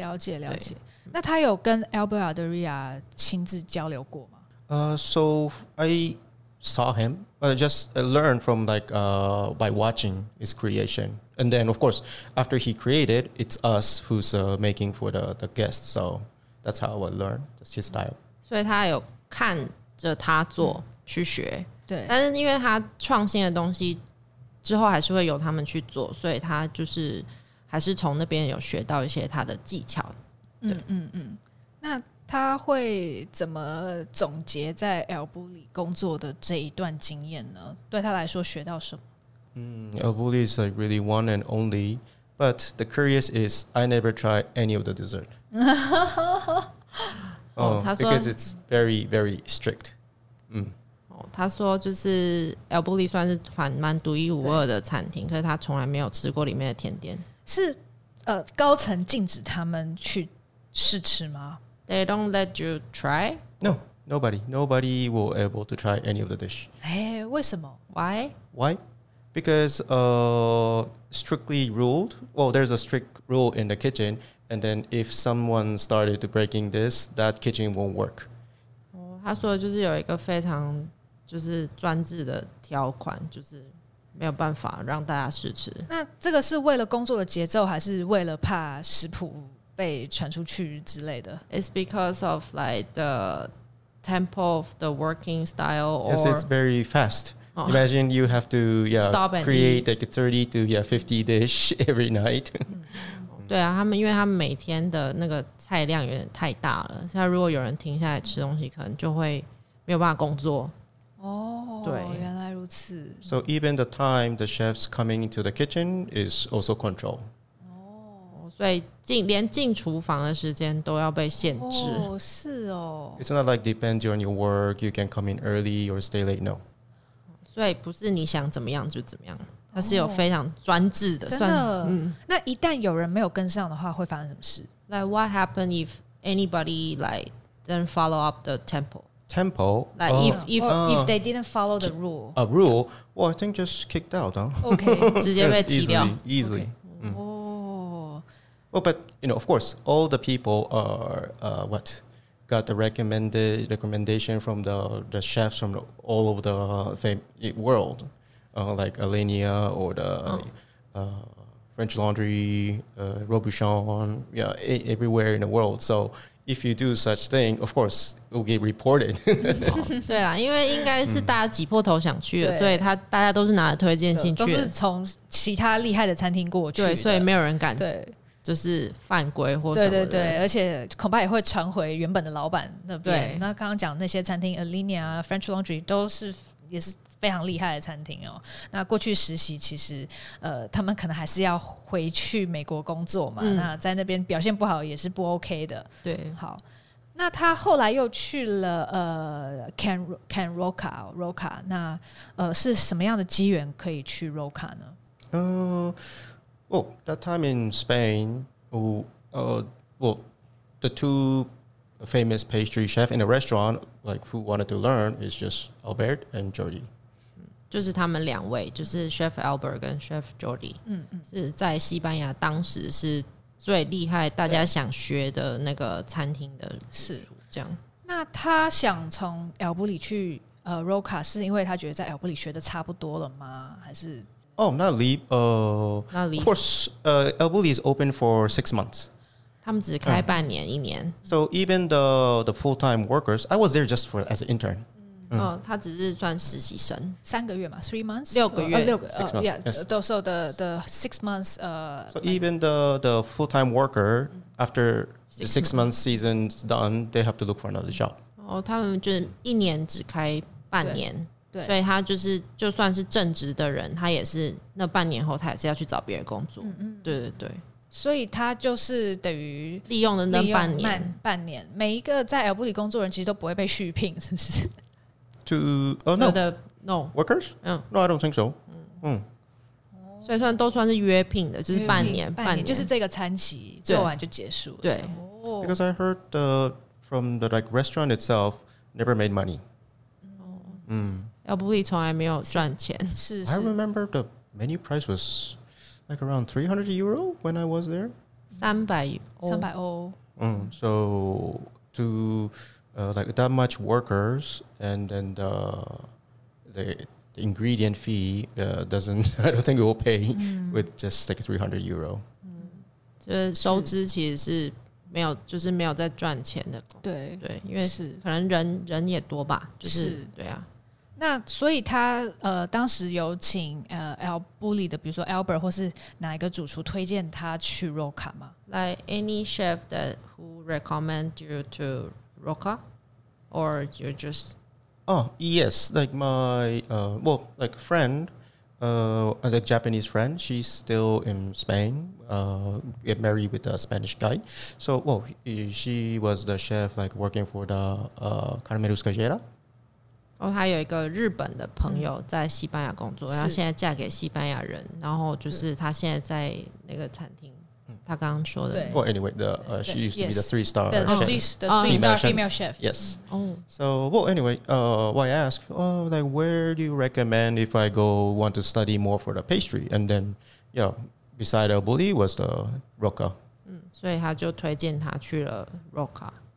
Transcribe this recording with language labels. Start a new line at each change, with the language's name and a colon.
Chinese: 了解了解。那他有跟 Albert Adria 亲自交流过吗
English: So I saw him, but just learned from like by watching his creation. And then, of course, after he created, it's us who's making for the guests. So that's how I learned. That's his style.
Chinese: 所以他有看着他做去学，对。但是因为他创新的东西之后还是会由他们去做，所以他就是还是从那边有学到一些他的技巧。对，嗯嗯嗯。那他会怎么总结在 El Bulli 工作的这一段经验呢？对他来说学到什么？
English: El Bulli is like really one and only, but the curious is I never try any of the dessert. because it's very, very strict.
Chinese: 他说就是 El Bulli 算是蛮独一无二的餐厅，可是他从来没有吃过里面的甜点。是高层禁止他们去试吃吗？
English: They don't let you try? No, nobody. Nobody will able to try any of the dish.
Chinese: 为什么？
English: Why? Why? Because strictly ruled, well, there's a strict rule in the kitchen, and then if someone started to breaking this, that kitchen won't work.
Chinese: 他说就是有一个非常就是专制的条款，就是没有办法让大家试吃。那这个是为了工作的节奏，还是为了怕食谱被传出去之类的？
English: It's because of like the tempo of the working style, or yes, it's very fast. Imagine you have to stop and create Like 30 to 50 dish every night.
Chinese: 对啊，他们因为他们每天的那个菜量有点太大了，像如果有人停下来吃东西，可能就会没有办法工作。对，原来如此。
English: So even the time the chefs coming into the kitchen is also controlled.
Chinese: 所以连进厨房的时间都要被限制。是哦。
English: It's not like depends on your work, you can come in early or stay late, no.
Chinese: 对，不是你想怎么样就怎么样，它是有非常专制的。真的，那一旦有人没有跟上的话，会发生什么事
English: ？Like what happened if anybody like didn't follow up the tempo? Tempo? Like if they didn't follow the rule? A rule? Well, I think just kicked out. Huh? Okay,
Chinese: 直接被踢掉
English: easily. Well, but you know, of course, all the people are what. Got the recommendation from the chefs from all over the world, like Alenia or the French Laundry, Robuchon, everywhere in the world. So if you do such thing, of course, it will get reported.
Chinese: 对啦，因为应该是大家挤破头想去的，所以大家都是拿着推荐信去的，都是从其他厉害的餐厅过去的，对，所以没有人敢对。就是犯规或什么的，对对对，而且恐怕也会传回原本的老板那边。那刚刚讲那些餐厅 Alenia French Laundry 都是也是非常厉害的餐厅哦。那过去实习其实他们可能还是要回去美国工作嘛，那在那边表现不好也是不 OK 的。对，好，那他后来又去了Can Roca 那是什么样的机缘可以去 Roca 呢？
English: Well, that time in Spain, the two famous pastry chefs in a restaurant, like who wanted to learn, is just Albert and Jordi.
Chinese: 就是他们两位，就是 Chef Albert 跟 Chef Jordi. 是在西班牙当时是最厉害，大家想学的那个餐厅的是这样。那他想从 El Bulli 去Roca， 是因为他觉得在 El Bulli 学的差不多了吗？还是？
English: Oh, not leave. Of course, El Bulli is open for 6 months.
Chinese: 他们只开半年一年。
English: So even the full-time workers, I was there just for as an intern.
Chinese: 他只是算实习生。三个月嘛 ,
English: 3 months?
Chinese: 六个月。
English: 6 months, yes. So the 6 months... So even the full-time worker, after the 6 months season's done, they have to look for another job.
Chinese: 他们就是一年只开半年。对，所以他就是就算是正职的人，他也是那半年后他也是要去找别人工作。对对对，所以他就是等于利用了那半年。半年，每一个在 El Bulli 工作的人其实都不会被续聘，是不是
English: ？To no the no workers？ No, I don't think so.
Chinese: 所以都算是约聘的，就是半年，半年就是这个餐期做完就结束了。对
English: ，Because I heard the from the like restaurant itself never made money.
Chinese: El Bulli 从来没有赚钱。是
English: I remember the menu price was like around 300 euro when I was there. 300 euro. So to like that much workers and then the the ingredient fee doesn't, I don't think it will pay with just like €300.
Chinese: 就是收支其实是没有，就是没有在赚钱的。对对，因为是可能人也多吧，就是对啊。那所以他当时有请Al Bulli 的，比如说 Albert 或是哪一个主厨推荐他去 Roca 吗
English: ？Like any chef that who recommend you to Roca, or you just? Oh yes, like my well like friend, like Japanese friend, she's still in Spain. Get married with a Spanish guy. So well, she was the chef like working for the Carmelus Cajera.
Chinese: 哦，他有一个日本的朋友在西班牙工作，然后现在嫁给西班牙人，然后就是他现在在那个餐厅，他刚刚说的。
English: Well, anyway, the she used to be the three star chef, female chef. Yes. So, well, anyway, why ask? Oh, like, where do you recommend if I go want to study more for the pastry? And then, yeah, beside Al Bulli was the Roca.
Chinese: 所以他就推荐他去了 Roca.